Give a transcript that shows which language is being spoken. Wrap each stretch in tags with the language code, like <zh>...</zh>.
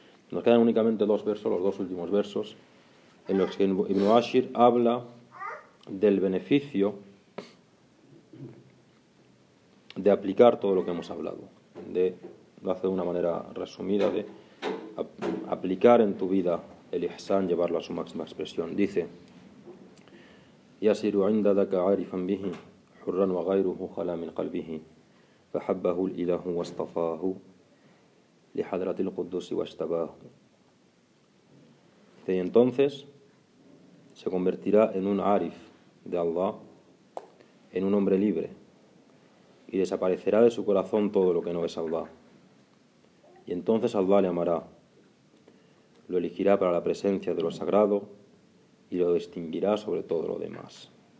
<es>Nos quedan únicamente dos versos, los dos últimos versos, en los que Ibn Ashir habla del beneficio de aplicar todo lo que hemos hablado. Lo hace de una manera resumida, de aplicar en tu vida el ihsan, llevarlo a su máxima expresión. Dice,</es> <ar>يسير عند ذاك عارفا به حرا وغيره خلا من قلبه فحبه الإله واصطفاه لحضرة القدس واشتباه.</ar> <es>Dice, y entonces se convertirá en un arif de Allah, en un hombre libre, y desaparecerá de su corazón todo lo que no es Allah. Y entonces Allah le amará, lo elegirá para la presencia de lo sagrado y lo distinguirá sobre todo lo demás.</es>